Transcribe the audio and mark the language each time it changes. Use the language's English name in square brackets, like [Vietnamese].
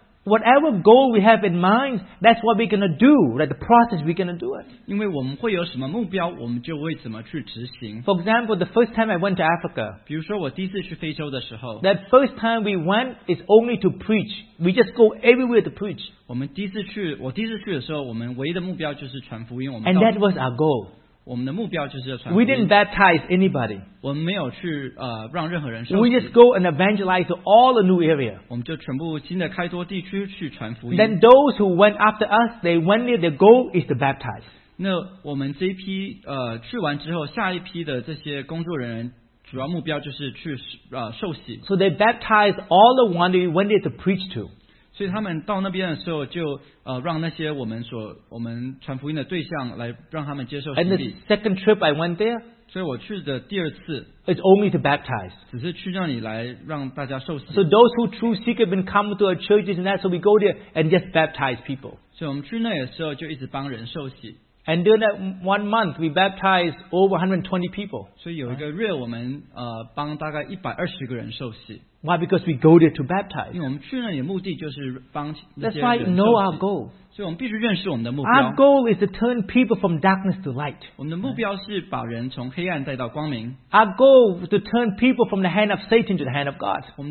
[English] Whatever goal we have in mind, that's what we're going to do, like the process we're going to do it. [Chinese] 因为我们会有什么目标, 我们就会怎么去执行。 [English] For example, the first time I went to Africa, [Chinese] 比如说我第一次去非洲的时候, [English] that first time we went is only to preach. We just go everywhere to preach. [Chinese] 我第一次去的时候, 我们唯一的目标就是传福音, [English] and that was our goal. [Chinese] 我们的目标就是要传福音。 [English] We didn't baptize anybody. [Chinese] 我们没有去, 让任何人受洗。 [English] We just go and evangelize to all the new area. [Chinese] 我们就全部新的开拓地区去传福音。 [English] Then those who went after us, they went there, their goal is to baptize. [Chinese] 那我们这一批, 去完之后, 下一批的这些工作人员, 主要目标就是去, 受洗。 [English] So they baptized all the one they went there to preach to. [Chinese] 所以他们到那边的时候就, 让那些我们所, 我们传福音的对象来让他们接受洗礼。 [English] And the second trip I went there, [Chinese] 所以我去的第二次, [English] it's only to baptize. [Chinese] 只是去那里来让大家受洗。 [English] So those who true seek have been come to our churches and that, so we go there and just baptize people. [Chinese] 所以我们去那里的时候就一直帮人受洗。 [English] And during that 1 month, we baptized over 120 people. [Chinese] 所以有一个月我们, 帮大概120个人受洗。 [English] Why? Because we go there to baptize. [Chinese] 因为我们去那里的目的就是帮那些人受洗。 [English] That's why you know our goal. [Chinese] 所以我们必须认识我们的目标。 [English] Our goal is to turn people from darkness to light. [Chinese] 我们的目标是把人从黑暗带到光明。 [English] Our goal is to turn people from the hand of Satan to the hand of God.